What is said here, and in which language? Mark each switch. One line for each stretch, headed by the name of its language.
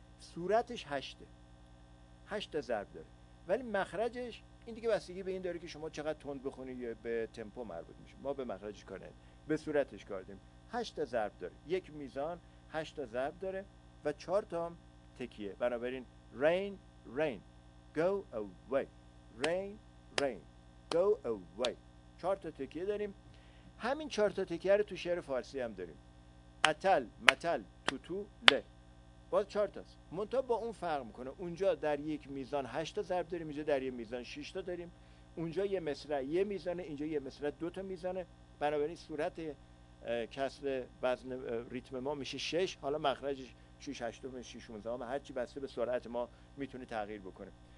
Persian: صورتش هشته، هشت ضرب داره، ولی مخرجش این دیگه بستگی به این داره که شما چقدر تند بخونی یا به تمپو مربوط میشه. ما به مخرجش کار نداریم، به صورتش کار داریم. هشت ضرب داره، یک میزان هشت ضرب داره و چهار تا تکیه. بنابراین
English: rain rain go away، rain rain go away،
Persian: چهار تا تکیه داریم. همین چهار تا تکیه رو تو شعر فارسی هم داریم، اتل متل توتو له، باز چهار تاست، منتها با اون فرق میکنه. اونجا در یک میزان هشت تا ضرب داریم، اینجا در یک میزان شش تا داریم. اونجا یه مصرع یه میزانه، اینجا یه مصرع دو تا میزانه. بنابراین صورت کسر وزن ریتم ما میشه شش، حالا مخرجش شش هشتم ششونزدهم، هر چی بسته به سرعت ما میتونه تغییر بکنه.